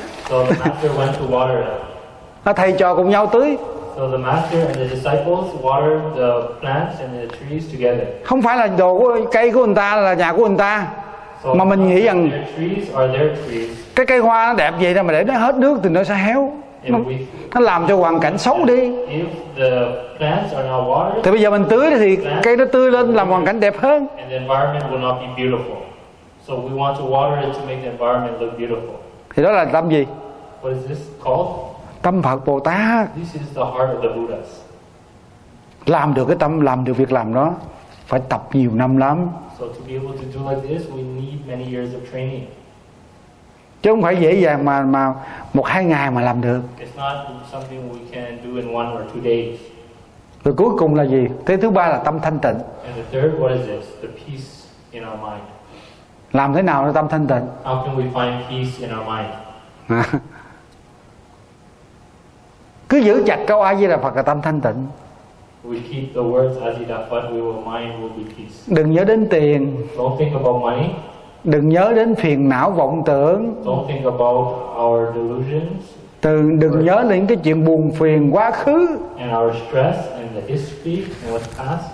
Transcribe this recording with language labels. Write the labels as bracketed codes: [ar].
[en] So the master went to water it. [vi] Thầy trò cùng nhau tưới. [en] So the master and the disciples water the plants and the trees together. [vi] Không phải là đồ của cây của người ta là nhà của người ta. [en] So [vi] mà mình nghĩ rằng [en] their trees are their trees. [vi] Cái cây hoa nó đẹp vậy mà để nó hết nước thì nó sẽ héo. nó làm cho hoàn cảnh xấu đi. [en] If the plants are not watered, [vi] thì bây giờ mình tưới thì cây nó tươi lên làm hoàn cảnh đẹp hơn. [en] And the environment will not be beautiful. So we want to water it to make the environment look beautiful. [vi] Thì đó là tâm gì? [en] What is this called? [vi] Tâm Phật Bồ Tát. [en] This is the heart of the Buddhas. [vi] Làm được cái tâm, làm được việc làm đó phải tập nhiều năm lắm. [en] So to be able to do like this, we need many years of training. [vi] Chứ không phải dễ dàng mà một hai ngày mà làm được. [en] It's not something we can do in one or two days. [vi] Rồi cuối cùng là gì? Thế thứ ba là tâm thanh tịnh. [en] And the third, what is this? The peace in our mind. [vi] Làm thế nào để tâm thanh tịnh? [en] How can we find peace in our mind? [vi] Cứ giữ chặt câu A Di Đà Phật là tâm thanh tịnh. [en] We keep the words A Di Đà Phật, we will mind will be peace. [vi] Đừng nhớ đến tiền. [en] Don't think about money. [vi] Đừng nhớ đến phiền não vọng tưởng. [en] Don't think about our delusions. [vi] Đừng nhớ đến cái chuyện buồn phiền quá khứ. [en] And our stress and the history and what's past.